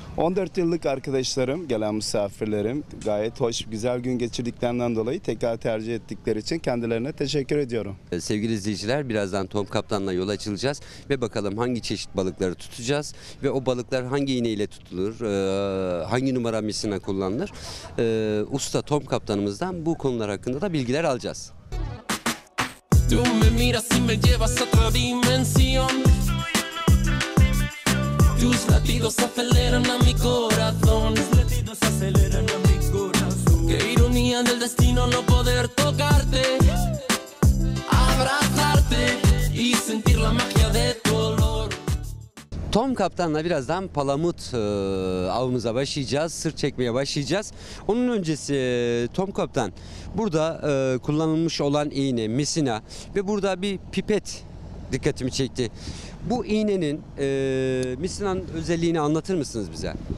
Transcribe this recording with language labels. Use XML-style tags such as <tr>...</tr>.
<tr>14 yıllık arkadaşlarım, gelen misafirlerim gayet hoş, güzel gün geçirdiklerinden dolayı tekrar tercih ettikleri için kendilerine teşekkür ediyorum. Sevgili izleyiciler, birazdan Tom Kaptan'la yola açılacağız ve bakalım hangi çeşit balıkları tutacağız ve o balıklar hangi iğneyle tutulur, hangi numara misline kullanılır. Usta Tom Kaptan'ımızdan bu konular hakkında da bilgiler alacağız.</tr> <es>Tu me miras y me llevas a otra dimensión. Tus latidos aceleran a mi corazón. Tus latidos aceleran a mi corazón. Qué ironía del destino no poder tocarte, abrazarte y sentir la magia de tu olor.</es> <tr>Tom Kaptan'la birazdan palamut avımıza başlayacağız, sırt çekmeye başlayacağız. Onun öncesi Tom Kaptan, burada kullanılmış olan iğne, misina ve burada bir pipet dikkatimi çekti. Bu iğnenin misinanın özelliğini anlatır mısınız bize?</tr>